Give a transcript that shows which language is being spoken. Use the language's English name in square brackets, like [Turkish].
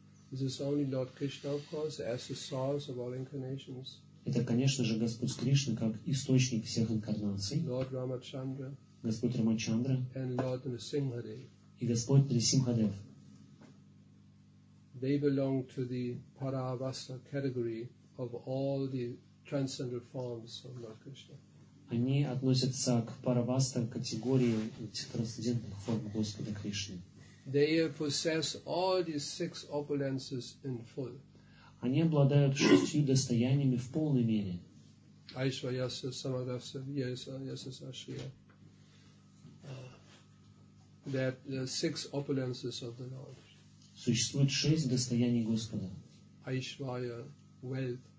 [English] This is only Lord Krishna, of course, as the source of all incarnations. [Russian] Это, конечно же, Господь Кришна как источник всех инкарнаций. [English] Lord Ramachandra. [Russian] Господь Рамачандра. [English] And Lord Nrisimhadev. [Russian] И Господь Нрисимхадев. [English] They belong to the Paravasta category of all the transcendental forms of Lord Krishna. [Russian] Они относятся к Паравасте, к категории трансцендентных форм Господа Кришны. [English] They possess all these six opulences in full. [Russian] Они обладают шестью достояниями в полной мере. Существует шесть достояний Господа. [English] Айшвая – wealth.